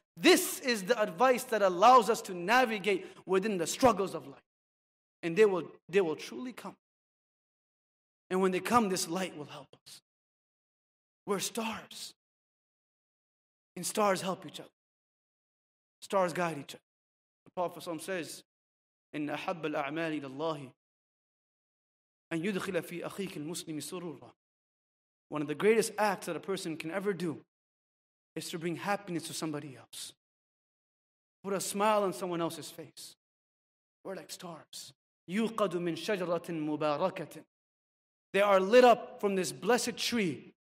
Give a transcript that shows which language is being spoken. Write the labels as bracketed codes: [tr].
[en] This is the advice that allows us to navigate within the struggles of life. And they will truly come. And when they come, this light will help us. We're stars. And stars help each other. Stars guide each other. The Prophet ﷺ says, [ar] إِنَّ أَحَبَّ الْأَعْمَالِ لِلَّهِ أَنْ يُدْخِلَ فِي أَخِيكِ الْمُسْلِمِ سُرُورًا. [en] One of the greatest acts that a person can ever do is to bring happiness to somebody else. Put a smile on someone else's face. We're like stars. [ar] يُقَدُ مِنْ شَجَرَةٍ مُبَارَكَةٍ. [en] They are lit up from this blessed tree.